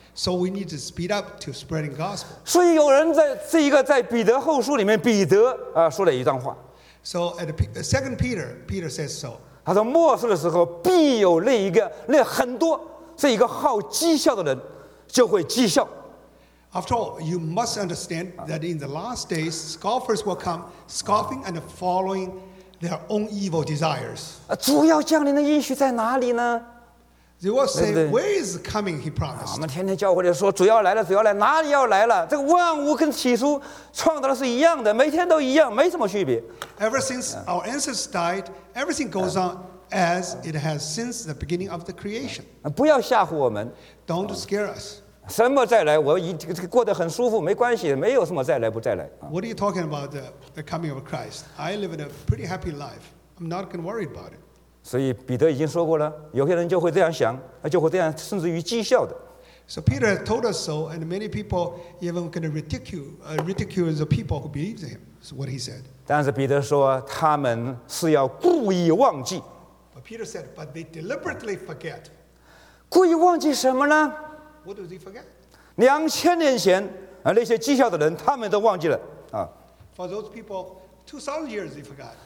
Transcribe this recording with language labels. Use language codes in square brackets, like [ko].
[en] So we need to speed up to spreading gospel. [zh] 所以有人在这一个在彼得后书里面，彼得啊说了一段话。 [en] So at Second Peter, Peter says so. [zh] 他说末世的时候必有那一个那很多这一个好讥笑的人就会讥笑。 [en] After all, you must understand that in the last days, scoffers will come, scoffing and following their own evil desires. [zh] 主要降临的应许在哪里呢？ [en] They will say, "Where is coming?" He promised. [zh] 我们天天教会里说主要来了，主要来，哪里要来了？这个万物跟起初创造的是一样的，每天都一样，没什么区别。 [en] Ever since our ancestors died, everything goes on as it has since the beginning of the creation. [zh] 不要吓唬我们。 [en] Don't scare us. [zh] 什么再来？我过得很舒服，没关系，没有什么再来不再来。 [en] What are you talking about the coming of Christ? I live in a pretty happy life. I'm not going to worry about it. [zh] 所以彼得已经说过了，有些人就会这样想，就会这样，甚至于讥笑的。 [en] So Peter told us so, and many people even going to ridicule the people who believe in him. Is what he said. [zh] 但是彼得说他们是要故意忘记。 [en] But Peter said, but they deliberately forget. [zh] 故意忘记什么呢 [en] ？What do they forget? [zh] 2000年前啊，那些讥笑的人，他们都忘记了啊。 [en] For those people, 2000 years they forgot.